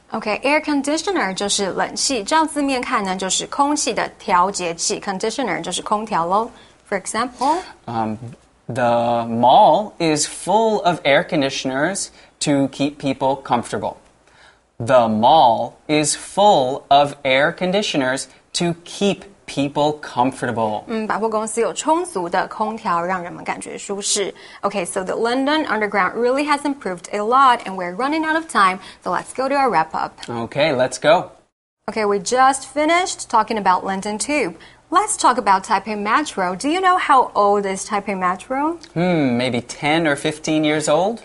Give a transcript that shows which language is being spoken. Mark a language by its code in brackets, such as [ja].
[zh] Okay, air conditioner 就是冷气，照字面看呢就是空气的调节器 ,conditioner 就是空调咯。 [en] For example, The mall is full of air conditioners to keep people comfortable. The mall is full of air conditioners to keep people comfortable. [zh] 百货公司有充足的空调让人们感觉舒适。 [en] Okay, so the London Underground really has improved a lot, and we're running out of time, so let's go to our wrap-up. Okay, let's go. Okay, we just finished talking about London Tube. Let's talk about Taipei Metro. Do you know how old is Taipei Metro? Maybe 10 or 15 years old?